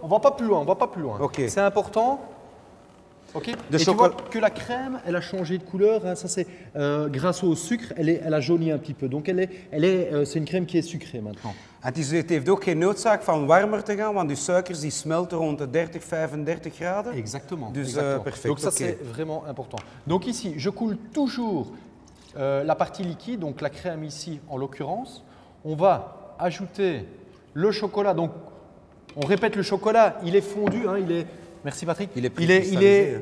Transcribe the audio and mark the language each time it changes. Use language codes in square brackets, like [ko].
[fr] On va pas plus loin. On va pas plus loin. Ok. C'est important. Ok. De chocolat. Tu vois que la crème, elle a changé de couleur. Hein, ça c'est grâce au sucre, elle a jauni un petit peu. Donc c'est une crème qui est sucrée maintenant. [nl] Het is, het heeft ook geen noodzaak van warmer te gaan, want de suikers die smelten rond de 30, 35 graden. [fr] Exactement. [nl] Dus perfect. [fr] Donc ça c'est vraiment important. Donc ici, je coule toujours la partie liquide, donc la crème ici en l'occurrence. On va ajouter le chocolat. Donc, on répète, le chocolat, il est fondu, hein, il est. Merci Patrick. Il est